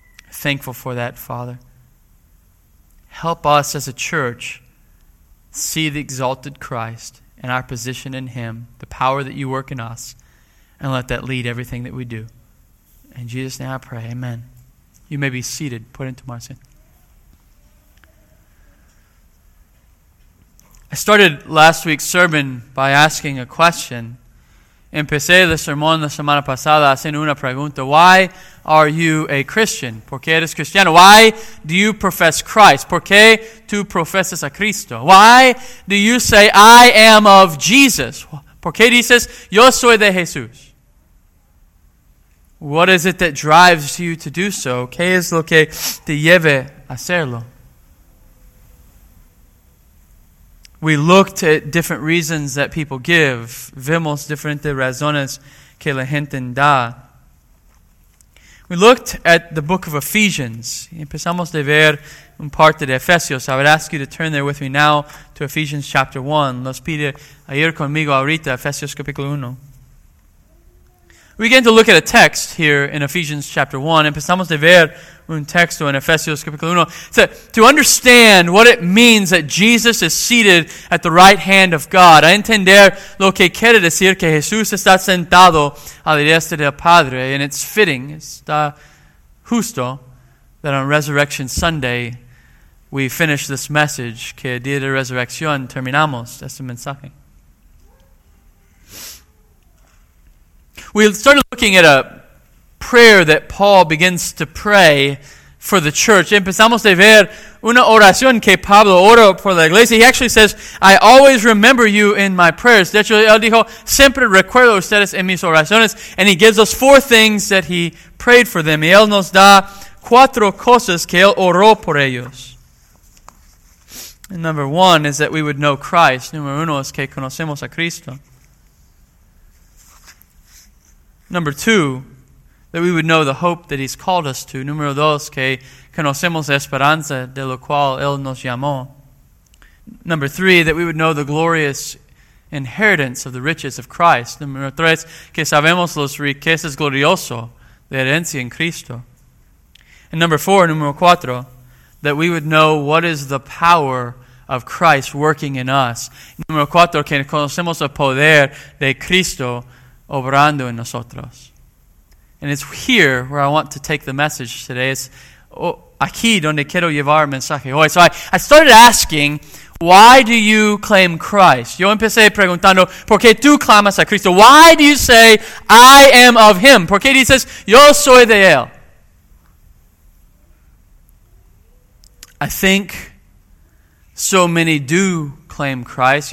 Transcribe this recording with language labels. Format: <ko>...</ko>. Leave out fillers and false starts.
<en>Thankful for that, Father. Help us as a church see the exalted Christ and our position in him, the power that you work in us, and let that lead everything that we do. In Jesus' name I pray, amen. You may be seated, put into my sin. I started last week's sermon by asking a question.</en> <es>Empecé el sermón la semana pasada haciendo una pregunta.</es> <en>Why are you a Christian?</en> <es>¿Por qué eres cristiano?</es> <en>Why do you profess Christ?</en> <es>¿Por qué tú profesas a Cristo?</es> <en>Why do you say, I am of Jesus?</en> <es>¿Por qué dices, yo soy de Jesús?</es> <en>What is it that drives you to do so?</en> <es>¿Qué es lo que te lleva a hacerlo?</es> <en>We looked at different reasons that people give.</en> <es>Vimos diferentes razones que la gente da.</es> <en>We looked at the book of Ephesians.</en> <es>Empezamos de ver un parte de Efesios.</es> <en>I would ask you to turn there with me now to Ephesians chapter 1.</en> <es>Los pide a ir conmigo ahorita, Efesios capítulo 1.</es> <en>We begin to look at a text here in Ephesians chapter 1.</en> <es>Empezamos de ver un texto en Efesios capítulo 1.</es> <en>To understand what it means that Jesus is seated at the right hand of God.</en> <es>A entender lo que quiere decir que Jesús está sentado a la diestra del Padre.</es> <en>And it's fitting,</en> <es>está justo,</es> <en>that on Resurrection Sunday we finish this message.</en> <es>Que día de resurrección terminamos este mensaje.</es> <en>We started looking at a prayer that Paul begins to pray for the church.</en> <es>Empezamos a ver una oración que Pablo oró por la iglesia.</es> <en>He actually says, I always remember you in my prayers.</en> <es>De hecho, él dijo, siempre recuerdo ustedes en mis oraciones.</es> <en>And he gives us four things that he prayed for them.</en> <es>Y él nos da cuatro cosas que él oró por ellos.</es> <en>And number one is that we would know Christ.</en> <es>Número uno es que conocemos a Cristo.</es> <en>Number two, that we would know the hope that he's called us to.</en> <es>Número dos, que conocemos la esperanza de lo cual él nos llamó.</es> <en>Number three, that we would know the glorious inheritance of the riches of Christ.</en> <es>Número tres, que sabemos las riquezas gloriosas de herencia en Cristo.</es> <en>And number four,</en> <es>número cuatro,</es> <en>that we would know what is the power of Christ working in us.</en> <es>Número cuatro, que conocemos el poder de Cristo obrando en nosotros.</es> <en>And it's here where I want to take the message today.</en> <es>It's aquí donde quiero llevar el mensaje hoy.</es> <en>So I started asking, why do you claim Christ?</en> <es>Yo empecé preguntando, ¿por qué tú clamas a Cristo?</es> <en>Why do you say, I am of him?</en> <es>¿Por qué dices, yo soy de él?</es> <en>I think so many do claim Christ.</en>